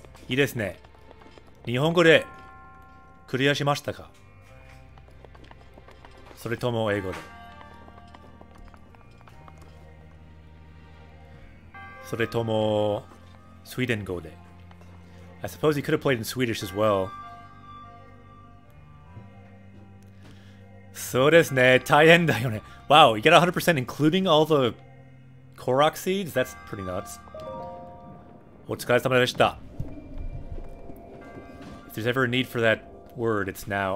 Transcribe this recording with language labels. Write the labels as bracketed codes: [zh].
[ja] Ii desu ne. Nihongo deクリアしましたか？それとも英語で？それともスウェーデン語で？ [en] I suppose you could have played in Swedish as well. [ja] そうですね、大変だよね。 [en] Wow, you get 100% including all the Korok seeds? That's pretty nuts. [ja] お疲れ様でした。 [en] If there's ever a need for that,word, it's now.